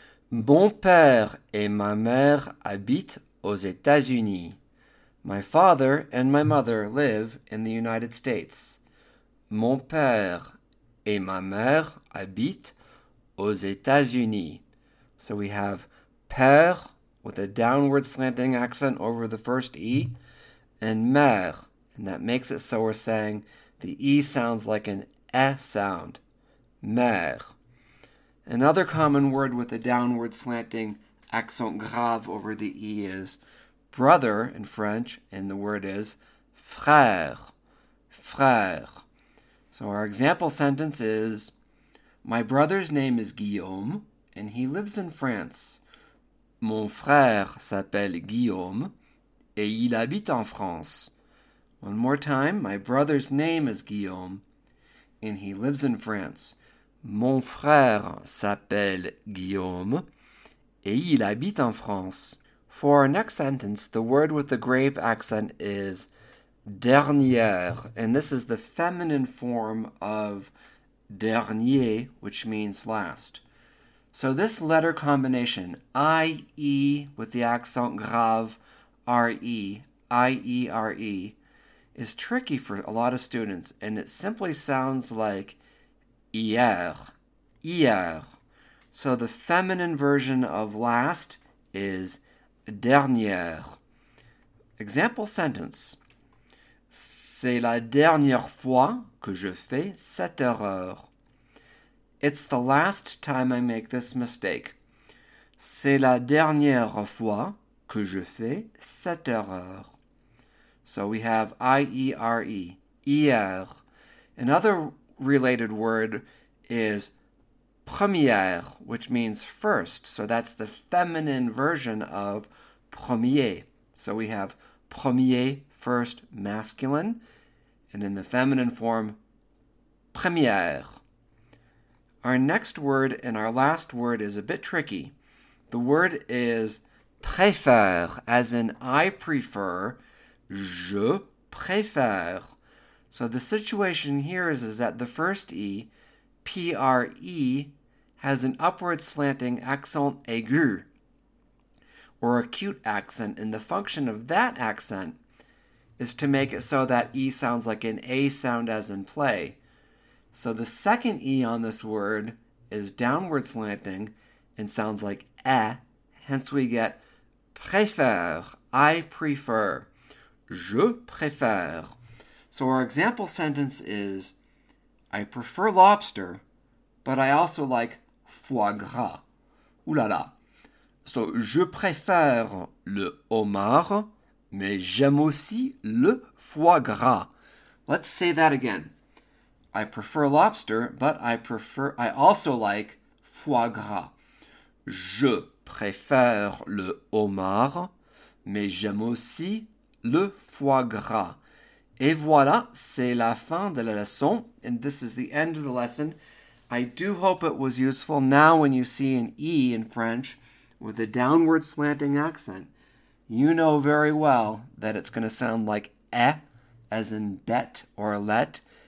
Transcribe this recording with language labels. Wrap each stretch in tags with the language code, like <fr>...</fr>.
<fr>Mon père et ma mère habitent aux États-Unis.</fr> <en>My father and my mother live in the United States.</en> <fr>Mon père et ma mère habitent aux États-Unis.</fr> <en>So we have père, with a downward slanting accent over the first E, and mère, and that makes it so we're saying the E sounds like an E sound, mère. Another common word with a downward slanting accent grave over the E is brother in French, and the word is frère, frère. So our example sentence is, my brother's name is Guillaume, and he lives in France.</en> <fr>Mon frère s'appelle Guillaume et il habite en France.</fr> <en>One more time, my brother's name is Guillaume and he lives in France.</en> <fr>Mon frère s'appelle Guillaume et il habite en France.</fr> <en>For our next sentence, the word with the grave accent is dernière, and this is the feminine form of dernier, which means last. So this letter combination, I-E with the accent grave, R-E, I-E-R-E, is tricky for a lot of students, and it simply sounds like hier, hier. So the feminine version of last is dernière. Example sentence.</en> <fr>C'est la dernière fois que je fais cette erreur.</fr> <en>It's the last time I make this mistake.</en> <fr>C'est la dernière fois que je fais cette erreur.</fr> <en>So we have I-E-R-E, hier. Another related word is première, which means first. So that's the feminine version of premier. So we have premier, first, masculine. And in the feminine form, première. Our next word and our last word is a bit tricky. The word is préfère, as in I prefer,</en> <fr>je préfère.</fr> <en>So the situation here is that the first E, P-R-E, has an upward slanting accent aigu, or acute accent, and the function of that accent is to make it so that E sounds like an A sound, as in play. So the second E on this word is downward slanting and sounds like E. Hence we get préfère, I prefer,</en> <fr>je préfère.</fr> <en>So our example sentence is, I prefer lobster, but I also like foie gras. Ouh là là. So</en> <fr>je préfère le homard, mais j'aime aussi le foie gras.</fr> <en>Let's say that again. I prefer lobster, but I also like foie gras.</en> <fr>Je préfère le homard, mais j'aime aussi le foie gras. Et voilà, c'est la fin de la leçon.</fr> <en>And this is the end of the lesson. I do hope it was useful. Now, when you see an E in French with a downward slanting accent, you know very well that it's going to sound like E, as in bet or let.</en>